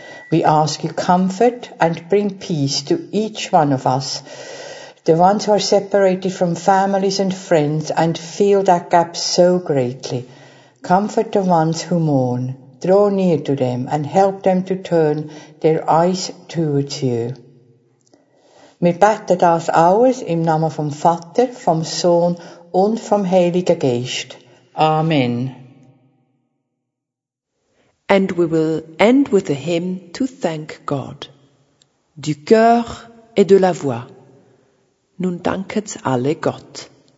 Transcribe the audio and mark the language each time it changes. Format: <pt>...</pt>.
<en>We ask you comfort and bring peace to each one of us. The ones who are separated from families and friends and feel that gap so greatly. Comfort the ones who mourn. Draw near to them and help them to turn their eyes towards you.</en> <de>Wir beten das alles im Namen vom Vater, vom Sohn und vom Heiligen Geist. Amen.</de> <en>And we will end with a hymn to thank God.</en> <fr>Du cœur et de la voix.</fr> <de>Nun danket alle Gott.</de>